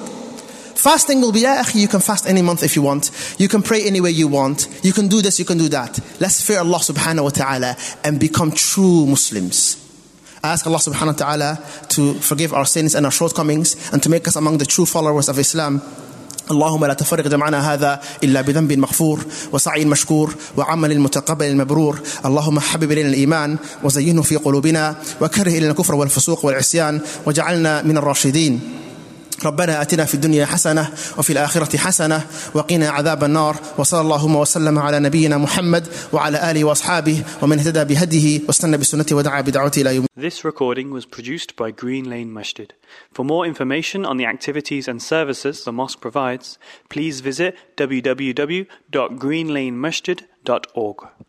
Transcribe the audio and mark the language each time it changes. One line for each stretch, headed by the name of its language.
English: Fasting will be, you can fast any month if you want. You can pray any way you want. You can do this, you can do that. Let's fear Allah subhanahu wa ta'ala and become true Muslims. I ask Allah subhanahu wa ta'ala to forgive our sins and our shortcomings and to make us among the true followers of Islam.
Arabic: اللهم لا تفرق جمعنا هذا إلا بذنب مغفور وسعي مشكور وعمل متقبل المبرور اللهم حبب لنا الإيمان وزينه في قلوبنا وكره لنا الكفر والفسوق والعصيان وجعلنا من الراشدين ربنا آتنا في الدنيا حسنة وفي الآخرة حسنة وقنا عذاب النار وصلى اللهم وسلم على نبينا محمد وعلى آله وأصحابه ومن اهتدى بهديه واستنى بسنته ودعا بدعوته إلى يوم
English: This recording was produced by Green Lane Masjid. For more information on the activities and services the mosque provides, please visit www.greenlanemasjid.org.